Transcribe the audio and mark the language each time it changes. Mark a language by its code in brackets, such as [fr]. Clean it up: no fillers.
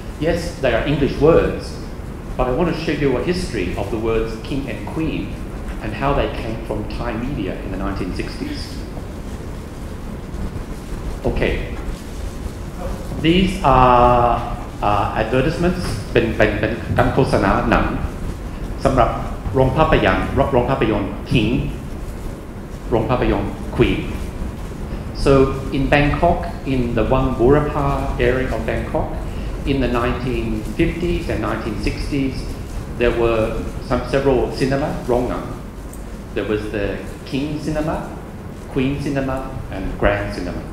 [en] Yes, they are English words, but I want to show you a history of the words king and queen and how they came from Thai media in the 1960s. Okay. These are advertisements, [th] เป็นโฆษณาหนังสำหรับโรงภาพยนตร์king, โรงภาพยนตร์ queen. [en] So in Bangkok, in the Wang Burapa area of Bangkok, in the 1950s and 1960s, there were several cinema, rongam. There was the King Cinema, Queen Cinema, and Grand Cinema.